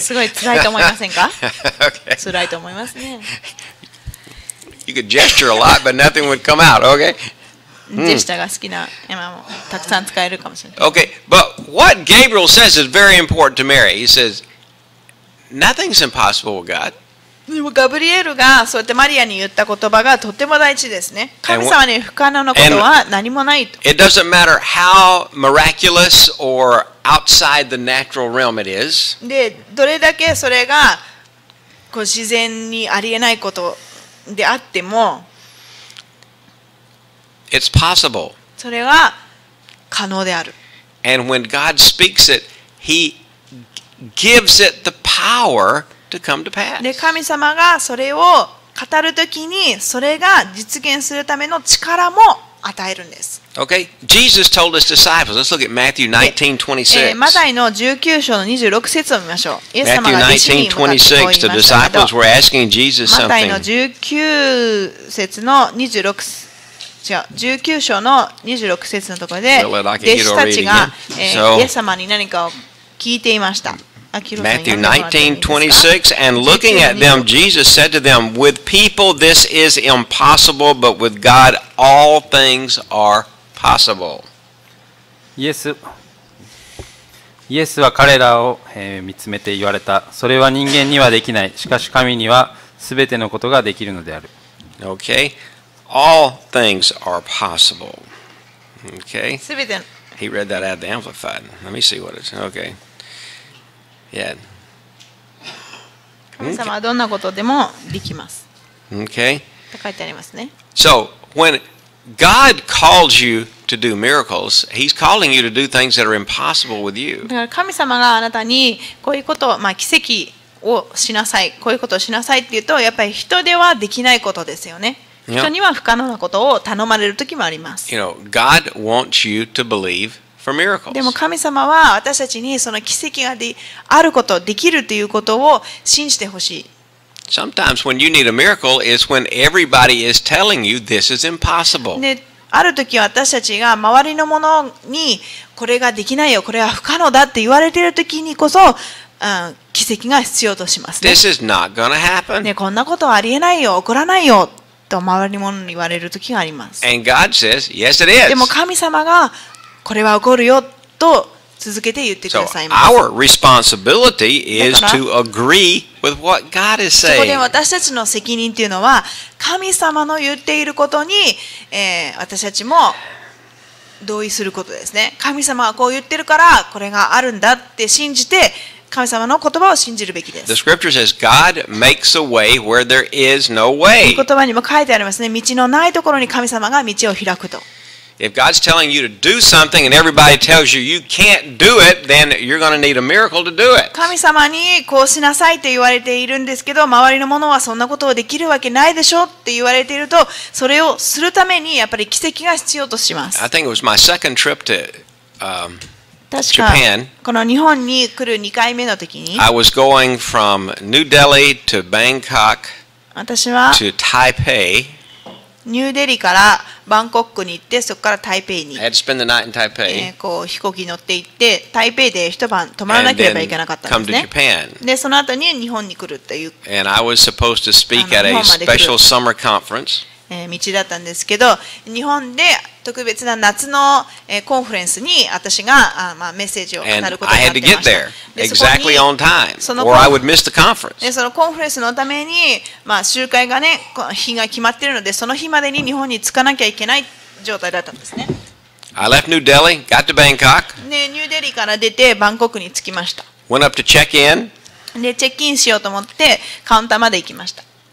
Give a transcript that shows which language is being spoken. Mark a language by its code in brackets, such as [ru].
[ja] すごい辛いと思いませんか辛いと思いますね。 [en] You could gesture a lot, but nothing would come out, okay? [ja] ジェスチャーが好きなエマもたくさん使えるかもしれない。 [en] Okay, but what Gabriel says is very important to Mary. He says, "Nothing's impossible with God." [ja] でもガブリエルがそうやってマリアに言った言葉がとても大事ですね。神様に不可能なことは何もないと。 [en] It doesn't matter how miraculous or outside the natural realm it is. [ja] で、どれだけそれがこう自然にありえないことであっても。 [en] It's possible. [ja] それは可能である。 [en] And when God speaks it, He gives it the power to come to pass. [ja] で、神様がそれを語るときに、それが実現するための力も与えるんです。 [en] Okay? Jesus told his disciples, let's look at Matthew 19:26. [ja] マタイの19章の26節を見ましょう。イエス様が弟子に向かってこう言いましたけど、 [en] Matthew 19:26, the disciples were asking Jesus something. [ja] マタイの19節の26節。違う19章の26節のところで弟子たちが、イエス様に何かを聞いていました。 [en] Matthew 19:26 and looking at them Jesus said to them with people this is impossible but with God all things are possible. [ja] イエスは彼らを、見つめて言われた。それは人間にはできない、しかし神にはすべてのことができるのである。 [en] OkayAll things are possible. Okay. He read that out of the Amplified. Let me see what it's. Okay. Yeah. Okay. So, when God calls you to do miracles, He's calling you to do things that are impossible with you. [ja] だから神様があなたにこういうこと、まあ奇跡をしなさい、こういうことをしなさいって言うと、やっぱり人ではできないことですよね。人には不可能なことを頼まれる時もあります。 [en] You know, God wants you to believe for miracles. [ja] でも神様は私たちにその奇跡があること、できるということを信じてほしい。 [en] Sometimes when you need a miracle is when everybody is telling you this is impossible. [ja] で、ある時は私たちが周りの者にこれができないよ、これは不可能だって言われている時にこそ、奇跡が必要としますね。 [en] This is not gonna happen. [ja] で、こんなことはありえないよ、起こらないよ。と周りものに言われる時があります。 [en] And God says, yes, it is. [ja] でも神様がこれは起こるよと続けて言ってくださいます。 [en] So our responsibility is to agree with what God is saying. [ja] そこで私たちの責任というのは神様の言っていることに、私たちも同意することですね。神様はこう言ってるからこれがあるんだって信じて神様の言葉を信じるべきです。 [en] The scripture says, God makes a way where there is no way. [ja] 言葉にも書いてありますね。道のないところに神様が道を開くと。 [en] If God's telling you to do something and everybody tells you you can't do it, then you're going to need a miracle to do it. [ja] 神様にこうしなさいって言われているんですけど、周りの者はそんなことをできるわけないでしょって言われていると、それをするためにやっぱり奇跡が必要とします。 [en] I think it was my second trip to, [ja] 確かこの日本に来る2回目の時に、 [en] I was going from New Delhi to Bangkok, [ja] 私は [en] to Taipei, [ja] ニューデリーからバンコックに行って、そこから台北に、 [en] I had to spend the night in Taipei, [ja] こう飛行機乗って行って、台北で一晩泊まらなければいけなかったんですね。 [en] And then come to Japan. [ja] で、その後に日本に来るという、 [en] And I was supposed to speak at a special summer conference. [ja] 道だったんですけど、日本で特別な夏の、コンフレンスに私が、まあ、メッセージを語ることになってました。 [en] And I had to get there exactly on time, or I would miss the conference. [ja] で、そのコンフレンスのために、まあ、集会がね、日が決まっているので、その日までに日本に着かなきゃいけない状態だったんですね。 [en] I left New Delhi, got to Bangkok. [ja] で、ニューデリーから出て、バンコクに着きました。 [en] Went up to check in. [ja] で、チェックインしようと思って、カウンターまで行きました。